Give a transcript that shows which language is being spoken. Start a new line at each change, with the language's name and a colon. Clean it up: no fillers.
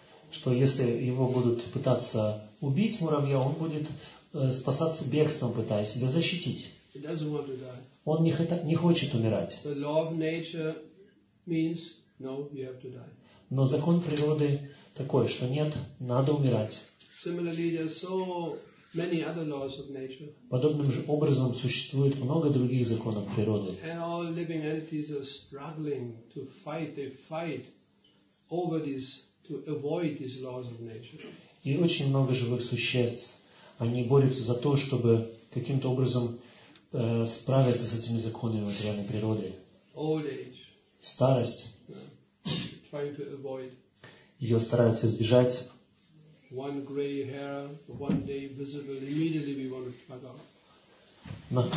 Russian: Что если его будут пытаться убить муравья, он будет спасаться бегством, пытаясь себя защитить.
English: It doesn't want to die.
Russian: Он не хочет умирать.
English: The law of nature means no, you have to die.
Russian: Но закон природы такой, что нет, надо умирать.
English: Similarly, there are so many other laws of nature.
Russian: Подобным же образом существует много других законов природы.
English: And all living entities are struggling to fight. They fight over these to avoid these laws of nature.
Russian: И очень много живых существ, они борются за то, чтобы каким-то образом справиться с этими законами материальной природы.
English: Old age.
Russian: Старость.
English: Trying to avoid.
Russian: Ее стараются избежать.
English: One gray hair, one day visible, immediately we want to plug out.